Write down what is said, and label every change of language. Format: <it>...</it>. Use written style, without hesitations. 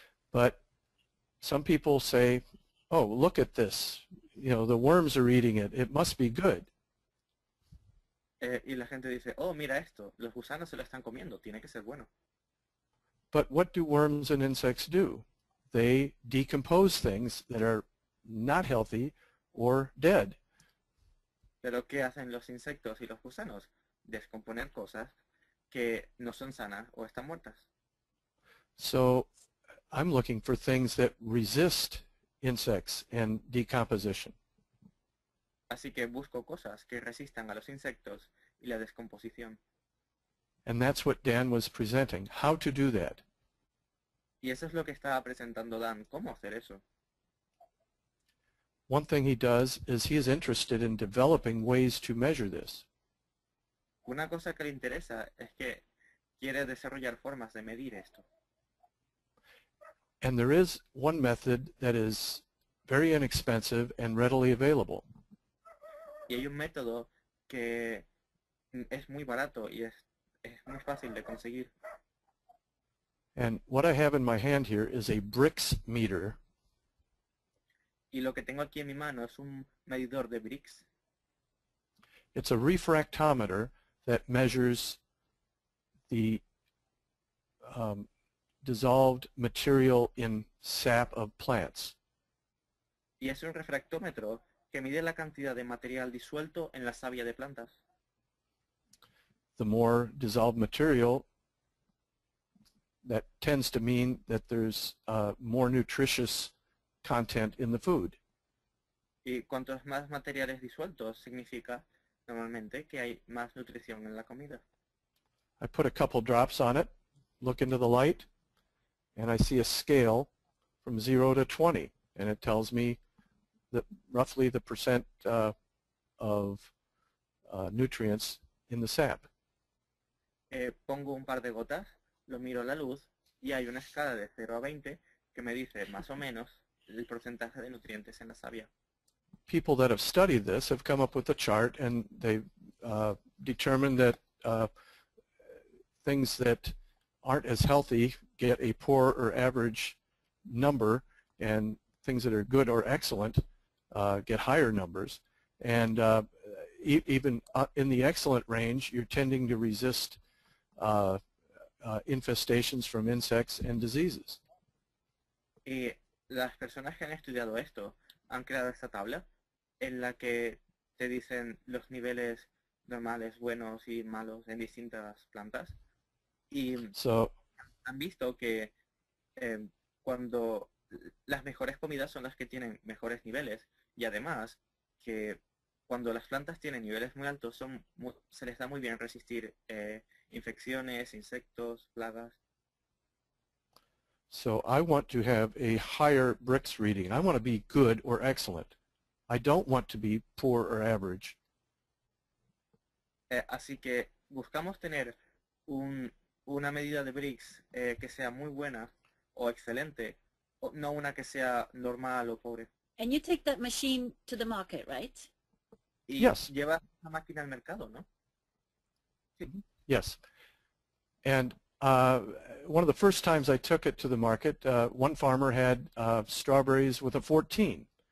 <en>But some people say, oh, look at this. You know, the worms are eating it. It must be good.</en> <es>Y la gente dice, oh, mira esto, los gusanos se lo están comiendo, tiene que ser bueno.</es> <en>But what do worms and insects do? They decompose things that are not healthy or dead.</en> <es>Pero ¿qué hacen los insectos y los gusanos? Descomponer cosas que no son sanas o están muertas.</es> <en>So I'm looking for things that resist insects and decomposition.</en> <es>Así que busco cosas que resistan a los insectos y la descomposición.</es> <en>And that's what Dan was presenting. How to do that?</en> <es>Y eso es lo que estaba presentando Dan. ¿Cómo hacer eso?</es> <en>One thing he does is he is interested in developing ways to measure this.</en> <es>Una cosa que le interesa es que quiere desarrollar formas de medir esto.</es> <en>And there is one method that is very inexpensive and readily available.</en> <es>Y hay un método que es muy barato y es muy fácil de conseguir.</es> <en>And what I have in my hand here is a bricks meter.</en> <es>Y lo que tengo aquí en mi mano es un medidor de bricks.</es> <en>It's a refractometer that measures the dissolved material in sap of plants.</en> <es>Y es un refractómetro que mide la cantidad de material disuelto en la savia de plantas.</es> <en>The more dissolved material, that tends to mean that there's more nutritious content in the food.</en> <es>Y cuantos más materiales disueltos significa normalmente que hay más nutrición en la comida.</es> <en>I put a couple drops on it, look into the light, and I see a scale from 0 to 20, and it tells me that roughly the percent of nutrients in the sap.</en> <es>Pongo un par de gotas, lo miro a la luz, y hay una escala de 0 a 20 que me dice más o menos el porcentaje de nutrientes en la savia.</es> <en>People that have studied this have come up with a chart, and they've determined that things that aren't as healthy get a poor or average number, and things that are good or excellent get higher numbers. And even in the excellent range, you're tending to resist infestations from insects and diseases.</en> <es>Y las personas que han estudiado esto han creado esta tabla en la que te dicen los niveles normales, buenos y malos en distintas plantas. Y so, han visto que cuando las mejores comidas son las que tienen mejores niveles, y además que cuando las plantas tienen niveles muy altos son muy, se les da muy bien resistir infecciones, insectos, plagas.</es> <en>So I want to have a higher bricks reading. I want to be good or excellent. I don't want to be poor or average.</en> <es>Así que buscamos tener una medida de bricks que sea muy buena o excelente, o no una que sea normal o pobre.</es> <en>And you take that machine to the market, right?</en> <es>Y</es> <en>yes.</en> <es>Lleva la máquina al mercado, ¿no? Sí. Yes.</es> <en>And one of the first times I took it to the market, one farmer had strawberries with a 14.</en>